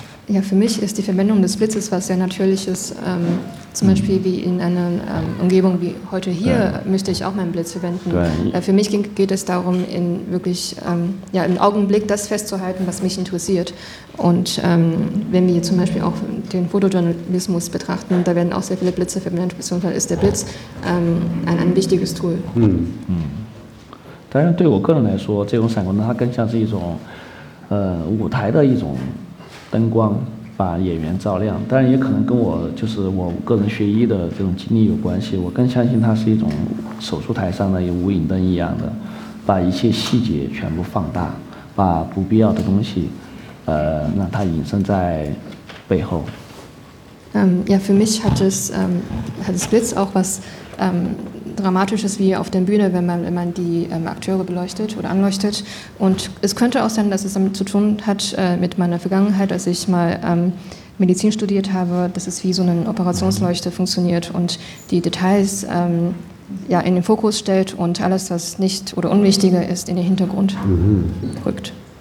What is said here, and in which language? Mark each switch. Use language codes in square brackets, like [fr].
[de] Ja, für mich ist die Verwendung des Blitzes was sehr Natürliches. Zum Beispiel wie in einer Umgebung wie heute hier müsste ich auch meinen Blitz verwenden. Für mich geht es darum, in wirklich im Augenblick das festzuhalten, was mich interessiert. Und wenn wir zum Beispiel auch den Fotojournalismus betrachten, da werden auch sehr viele Blitze verwendet. Beziehungsweise ist der Blitz ein wichtiges Tool. Hm. [zh] 当然对我个人来说，这种闪光灯它更像是一种舞台的一种灯光，把演员照亮，当然也可能跟我就是我个人学医的这种经历有关系，我更相信它是一种手术台上的无影灯一样的，把一切细节全部放大，把不必要的东西让它隐身在背后。 [de] Ja, für mich hat das Blitz auch was Dramatisches wie auf der Bühne, wenn man die Akteure beleuchtet oder anleuchtet. Und es könnte auch sein, dass es damit zu tun hat, mit meiner Vergangenheit, als ich mal Medizin studiert habe, dass es wie so eine Operationsleuchte funktioniert und die Details in den Fokus stellt und alles, was nicht oder unwichtiger ist, in den Hintergrund rückt.